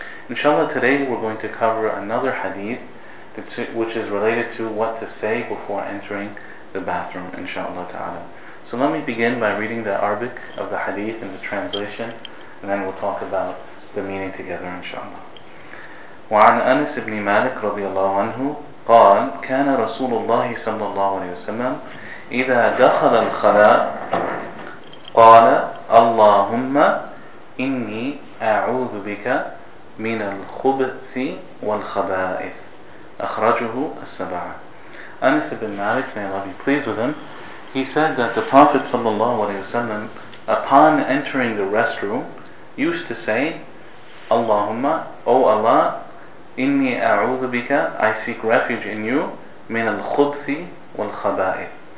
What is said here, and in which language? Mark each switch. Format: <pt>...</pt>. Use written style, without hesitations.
<en>Inshallah, today we're going to cover another hadith which is related to what to say before entering the bathroom, inshallah ta'ala. So let me begin by reading the Arabic of the hadith in the translation, and then we'll talk about the meaning together, inshallah.</en> <ar>وعن أنس بن مالك رضي الله عنه قال كان رسول الله صلى الله عليه وسلم إذا دخل الخلاء قال اللهم إني أعوذ بك من الخبث والخبائث أخرجه السبعة.</ar> <en>أنس بن مالك, may Allah be pleased with him, he said that the Prophet</en> <ar>صلى الله عليه وسلم,</ar> <en>upon entering the restroom, used to say اللهم, O Allah,</en> <ar>إني أعوذ بك,</ar> <en>I seek refuge in you,</en> <ar>من الخبث والخبائث.</ar>